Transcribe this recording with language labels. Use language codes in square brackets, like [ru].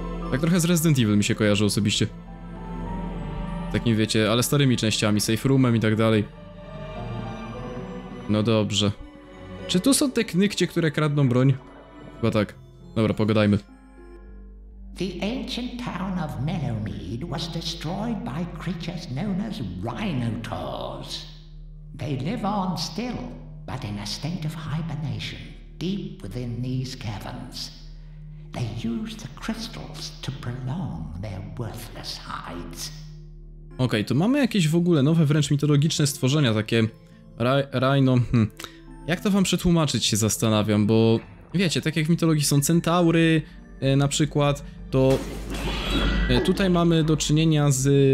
[pl] Tak trochę z Resident Evil mi się kojarzy osobiście. Takim wiecie, ale starymi częściami, safe roomem i tak dalej. No dobrze. Czy tu są te knykcie, które kradną broń? Chyba tak. Dobra, pogadajmy. [en] The ancient town of Meadowmead was destroyed by creatures known as Rhinotors. They live on still, but in a state of hibernation, deep within these caverns. They use the crystals to prolong their worthless hides. [pl] Okej, to mamy jakieś w ogóle nowe, wręcz mitologiczne stworzenia, takie rhino... Jak to wam przetłumaczyć, się zastanawiam, bo wiecie, tak jak w mitologii są centaury na przykład, to tutaj mamy do czynienia z...